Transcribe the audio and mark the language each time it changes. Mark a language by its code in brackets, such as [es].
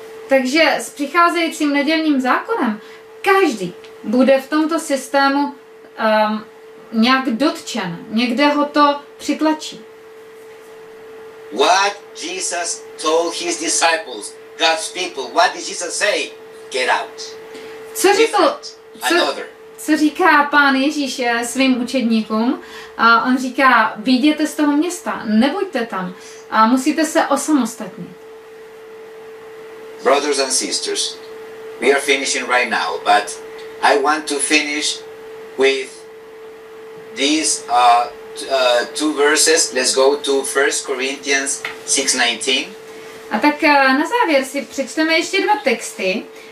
[cs] Takže s přicházejícím nedělním zákonem každý bude v tomto systému nějak dotčen, někde ho to přitlačí. [en] What Jesus told his disciples, God's people, what did Jesus say? Get out. [cs] Co řekl, co říká Pán Ježíš svým učedníkům? On říká, vyjděte z toho města, nebuďte tam, musíte se osamostatnit. [en] Brothers and sisters, we are finishing right now, but I want to finish with these two verses. Let's go to 1 Corinthians 6:19. [cs] A tak na závěr si přečteme ještě dva texty.